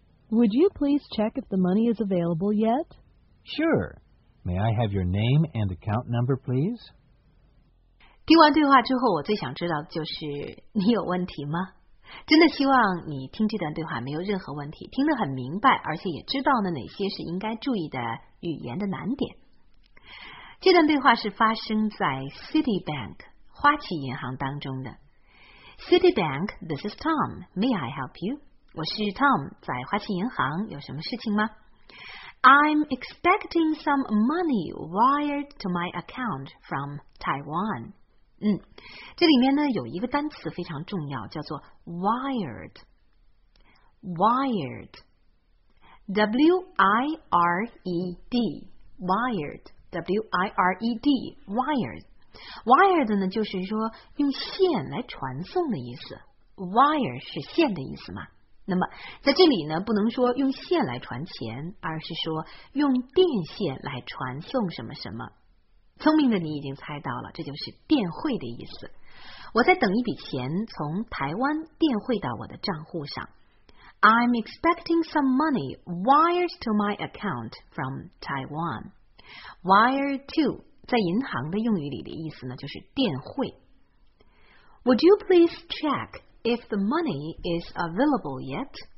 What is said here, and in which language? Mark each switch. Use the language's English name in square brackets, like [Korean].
[English] Would you please check if the money is available yet? Sure. May I have your name and account number, please? [Chinese] 听完对话之后，我最想知道的就是你有问题吗？真的希望你听这段对话没有任何问题，听得很明白，而且也知道呢哪些是应该注意的语言的难点。这段对话是发生在 Citibank 花旗银行当中的。 [English] Citibank, this is Tom. May I help you? [Chinese] 我是 Tom, 在花旗银行有什么事情吗？ [English] I'm expecting some money wired to my account from Taiwan. [Chinese] 这里面呢有一个单词非常重要，叫做 wired. Wired. [English] W-I-R-E-D. Wired. [Chinese] W-I-R-E-D, wired. Wired 呢就是说用线来传送的意思。 Wire 是线的意思嘛。那么在这里呢不能说用线来传钱，而是说用电线来传送什么什么。聪明的你已经猜到了，这就是电汇的意思。我在等一笔钱从台湾电汇到我的账户上。 [English] I'm expecting some money wired to my account from Taiwan. [Chinese] Wire to 在银行的用语里的意思呢，就是电汇。 [English] Would you please check if the money is available yet?